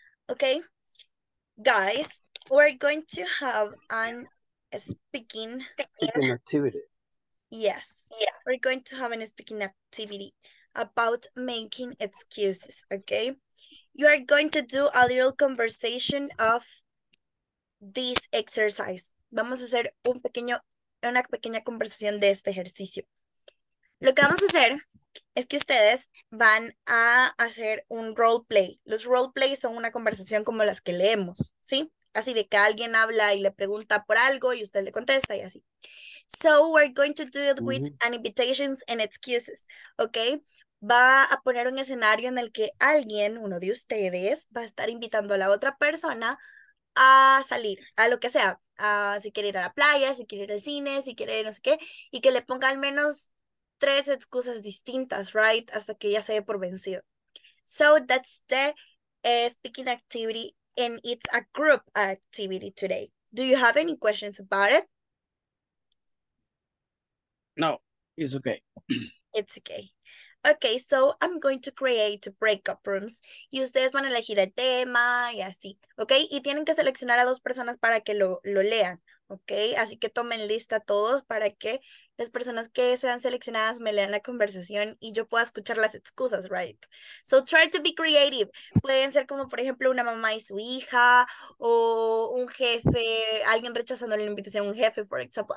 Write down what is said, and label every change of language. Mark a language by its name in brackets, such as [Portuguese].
[English] Okay, guys, we're going to have a speaking activity. Yes, we're going to have a speaking activity about making excuses, okay? You are going to do a little conversation of this exercise. [Spanish] Vamos a hacer una pequeña conversación de este ejercicio. Lo que vamos a hacer es que ustedes van a hacer un role play. Los role plays son una conversación como las que leemos, ¿sí? Así de que alguien habla y le pregunta por algo y usted le contesta y así. [English] So we're going to do it with an invitations and excuses, ¿okay? [Spanish] Va a poner un escenario en el que alguien, uno de ustedes, va a estar invitando a la otra persona a salir, a lo que sea, si quiere ir a la playa, si quiere ir al cine, si quiere no sé qué, y que le ponga al menos 3 excusas distintas, right? Hasta que ya se dé por vencido. [English] So that's the speaking activity, and it's a group activity today. Do you have any questions about it? No, it's okay. It's okay. Okay, so I'm going to create breakup rooms. [Spanish] Y ustedes van a elegir el tema y así, okay? Y tienen que seleccionar a dos personas para que lo lean, okay? Así que tomen lista todos para que las personas que sean seleccionadas me lean la conversación y yo pueda escuchar las excusas, right? [English] So try to be creative. [Spanish] Pueden ser como, por ejemplo, una mamá y su hija, o un jefe, alguien rechazando la invitación a un jefe, [English] for example.